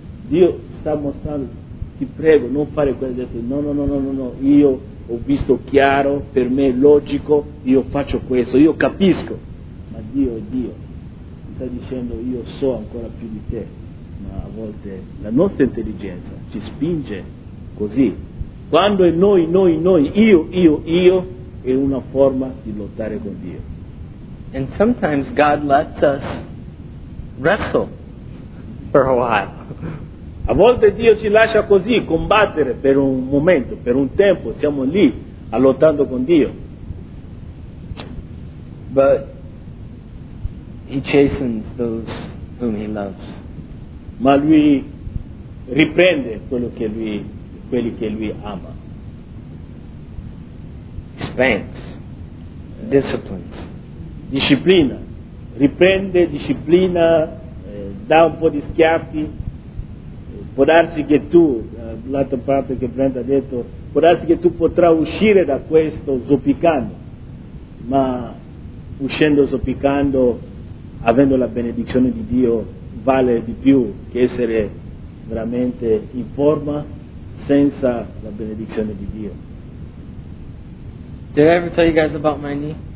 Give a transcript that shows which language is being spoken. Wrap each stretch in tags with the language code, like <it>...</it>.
<it>Dio sta mostrando, ti prego, non fare questo, detto no, io ho visto chiaro, per me è logico, io faccio questo, io capisco, ma Dio è Dio. Sta dicendo, io so ancora più di te, ma a volte la nostra intelligenza ci spinge così. Quando è noi, io, è una forma di lottare con Dio.</it> <en>And sometimes God lets us wrestle for a while.</en> <it>A volte Dio ci lascia così, combattere per un momento, per un tempo, siamo lì, lottando con Dio.</it> <en>But He chastens those whom He loves.</en> <it>Ma lui riprende quelli che lui ama.</it> <en>Spanks, disciplines.</en> <it>Disciplina. Riprende, disciplina, dà un po' di schiaffi. Può darsi che tu, l'altra parte che Brenda ha detto, può darsi che tu potrai uscire da questo zoppicando. Ma uscendo zoppicando, avendo la benedizione di Dio, vale di più che essere veramente in forma senza la benedizione di Dio.</it> <en>Did I ever tell you guys about my knee?</en>